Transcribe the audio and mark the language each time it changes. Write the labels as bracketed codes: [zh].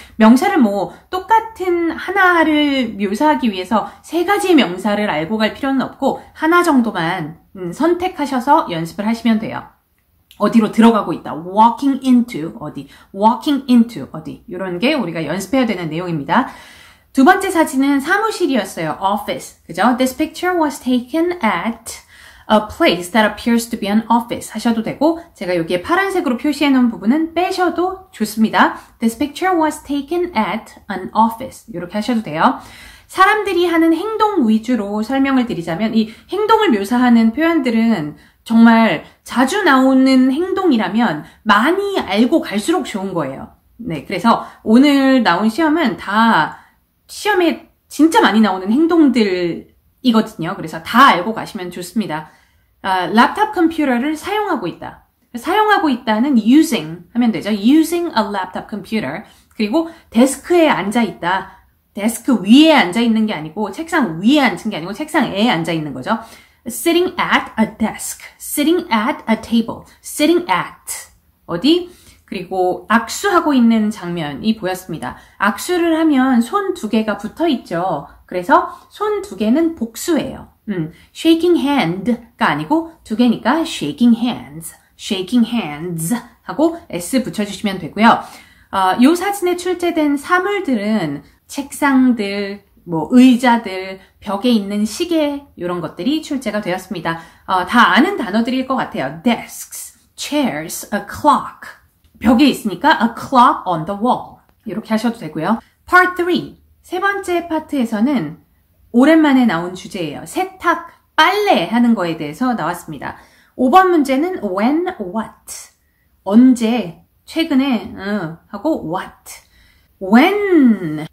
[ko] 명사를 뭐 똑같은 하나를 묘사하기 위해서 세 가지 명사를 알고 갈 필요는 없고 하나 정도만 선택하셔서 연습을 하시면 돼요. 어디로 들어가고 있다. [en] walking into [ko] 어디, walking into 어디, 이런 게 우리가 연습해야 되는 내용입니다. 두 번째 사진은 사무실이었어요. office, 그죠? [en] This picture was taken at a place that appears to be an office [ko] 하셔도 되고, 제가 여기에 파란색으로 표시해 놓은 부분은 빼셔도 좋습니다. [en] This picture was taken at an office. [ko] 이렇게 하셔도 돼요. 사람들이 하는 행동 위주로 설명을 드리자면, 이 행동을 묘사하는 표현들은 정말 자주 나오는 행동이라면 많이 알고 갈수록 좋은 거예요. 네, 그래서 오늘 나온 시험은 다 시험에 진짜 많이 나오는 행동들이거든요. 그래서 다 알고 가시면 좋습니다. 랩탑 컴퓨터를 사용하고 있다. 사용하고 있다는 using 하면 되죠. [en] using a laptop computer. [ko] 그리고 데스크에 앉아 있다. 데스크 위에 앉아 있는 게 아니고 책상 위에 앉은 게 아니고 책상에 앉아 있는 거죠. [en] Sitting at a desk, sitting at a table, sitting at 어디? [ko] 그리고 악수하고 있는 장면이 보였습니다. 악수를 하면 손 두 개가 붙어 있죠. 그래서 손 두 개는 복수예요. Shaking hand가 아니고 두 개니까 [en] shaking hands, shaking hands [ko] 하고 S 붙여주시면 되고요. 이 사진에 출제된 사물들은 책상들, 뭐 의자들, 벽에 있는 시계 이런 것들이 출제가 되었습니다. 다 아는 단어들일 것 같아요. [en] Desks, chairs, a clock. [ko] 벽에 있으니까 [en] a clock on the wall. [ko] 이렇게 하셔도 되고요. Part 3. 세 번째 파트에서는 오랜만에 나온 주제예요. 세탁, 빨래 하는 거에 대해서 나왔습니다. 5번 문제는 when, what. 언제, 최근에, 하고 what. [en] When.